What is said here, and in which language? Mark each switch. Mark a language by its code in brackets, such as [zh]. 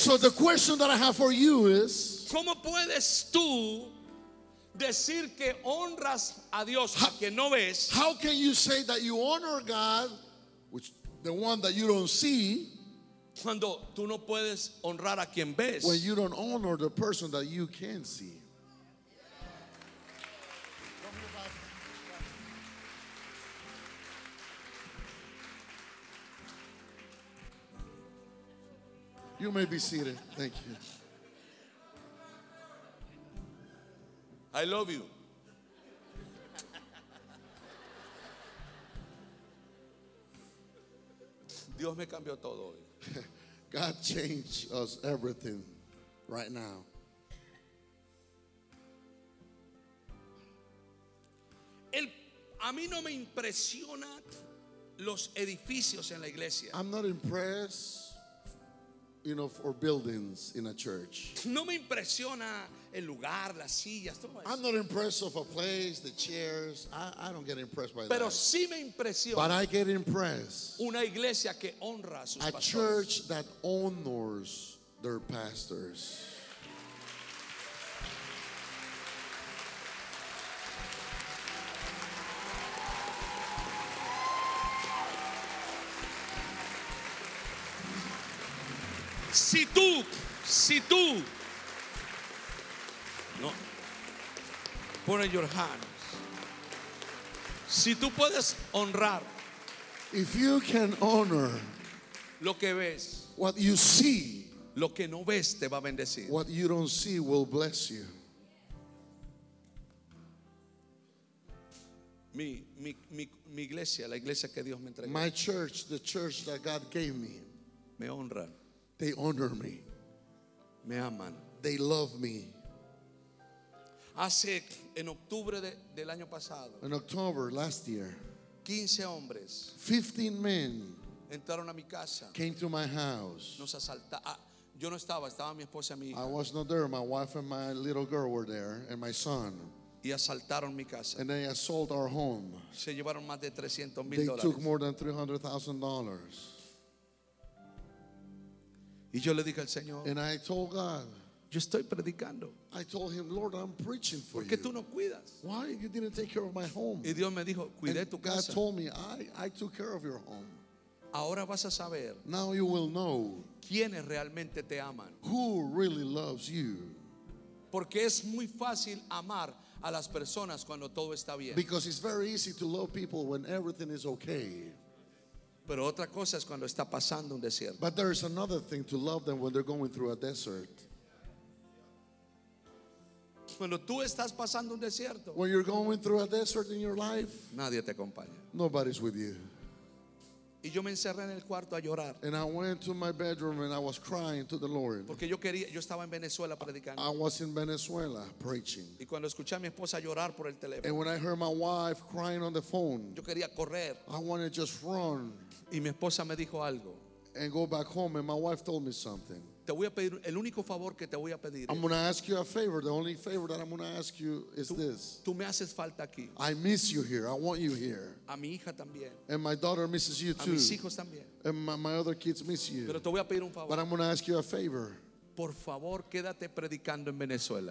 [en] so the question that I have for you is, [es] ¿cómo puedes tú decir que honras a Dios a quien no ves? [en] How can you say that you honor God, which the one that you don't see, [es] cuando tú no puedes honrar a quien ves? [en] When you don't honor the person that you can see. You may be seated. Thank you. I love you. [es] Dios me cambió todo hoy. [en] God changed us everything right now. [es] A mí no me impresiona los edificios en la iglesia. [en] I'm not impressed, you know, for buildings in a church. [es] No me impresiona el lugar, las sillas. [en] I'm not impressed of a place, the chairs. I don't get impressed by that. [es] Pero sí me impresiona. [en] But I get impressed. [es] Una iglesia que honra a sus pastores. [en] A church that honors their pastors. [es] Si tú, no, [en] put in your hands. [es] Si tú puedes honrar, [en] if you can honor, [es] lo que ves, [en] what you see, [es] lo que no ves te va a bendecir. [en] What you don't see will bless you. [es] Mi iglesia, la iglesia que Dios me entregó. [en] My church, the church that God gave me, [es] me honra. [en] They honor me. [es] Me aman. [en] They love me. [es] Hace en octubre del año pasado. [en] In October last year. [es] 15 hombres. [en] 15 men. [es] Entraron a mi casa. [en] Came to my house. [es] Nos asaltaron. Yo no estaba. Estaba mi esposa y mi hija. [en] I was not there. My wife and my little girl were there, and my son. [es] Y asaltaron mi casa. [en] And they assaulted our home. [es] Se llevaron más de $300,000. [en] They took more than $300,000. [es] Y yo le dije al Señor, [en] and I told God, [es] yo estoy predicando. [en] I told him, Lord, I'm preaching for [es] porque [en] you. [es] Tú no cuidas. [en] Why you didn't take care of my home? [es] Y Dios me dijo, cuidé tu casa. [en] God told me, I took care of your home. [es] Ahora vas a saber, [en] now you will know, [es] quiénes realmente te aman. [en] Who really loves you? [es] Porque es muy fácil amar a las personas cuando todo está bien. [en] Because it's very easy to love people when everything is okay. [es] Pero otra cosa es cuando está pasando un desierto. [en] But there is another thing to love them when they're going through a desert. [es] Cuando tú estás pasando un desierto. [en] When you're going through a desert in your life. [es] Nadie te acompaña. [en] Nobody's with you. [es] Y yo me encerré en el cuarto a llorar. [en] And I went to my bedroom and I was crying to the Lord. [es] Porque yo quería, yo estaba en Venezuela predicando. [en] I was in Venezuela preaching. [es] Y cuando escuché a mi esposa llorar por el teléfono. [en] And when I heard my wife crying on the phone. [es] Yo quería correr. [en] I wanted to just run. [es] Y mi esposa me dijo algo. [en] And go back home, and my wife told me something. [es] Te voy a pedir el único favor que te voy a pedir. [en] I'm going to ask you a favor. The only favor that I'm going to ask you is this. [es] Tú me haces falta aquí. [en] I miss you here. I want you here. [es] A mi hija también. [en] And my daughter misses you too. [es] A mis hijos también. [en] And my other kids miss you. [es] Pero te voy a pedir un favor. [en] But I'm going to ask you a favor. [es] Por favor, quédate predicando en Venezuela.